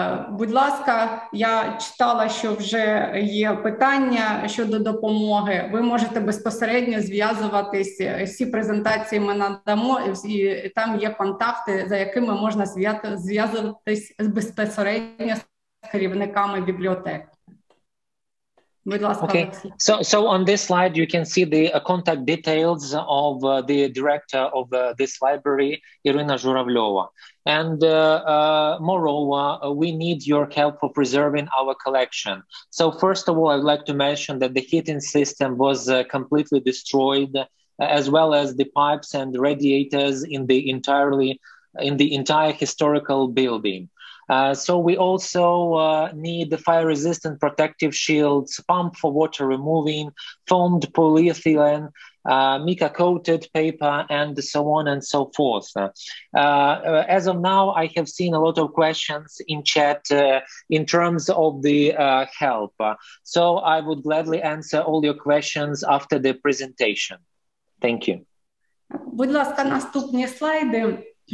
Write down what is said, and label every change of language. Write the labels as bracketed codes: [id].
[uk] Будь ласка, я читала, що вже є питання щодо допомоги. Ви можете безпосередньо зв'язуватися, всі презентації ми надамо, і там є контакти, за якими можна зв'язуватися безпосередньо керівниками бібліотек. [en] Okay, so on this slide you can see the contact details of the director of this library, Irina Журавльова. And moreover, we need your help for preserving our collection. So first of all, I'd like to mention that the heating system was completely destroyed, as well as the pipes and radiators in the entire historical building. So we also need the fire-resistant protective shields, pump for water removing, foamed polyethylene, mica-coated paper, and so on and so forth. As of now, I have seen a lot of questions in chat in terms of the help. So I would gladly answer all your questions after the presentation. Thank you. [uk] Будь ласка, наступні слайди.